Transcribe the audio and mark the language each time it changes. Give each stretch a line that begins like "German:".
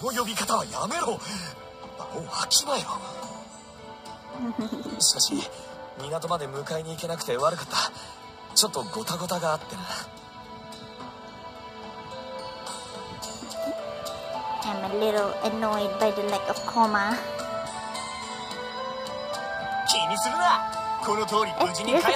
Japanese: その呼び方はやめろ、場を飽きなよ。しかし港まで迎えに行けなくて悪かった。ちょっとゴタゴタがあってな。
English: I'm a little annoyed by the lack of comma.
Japanese: 気にするな、この通り無事に帰って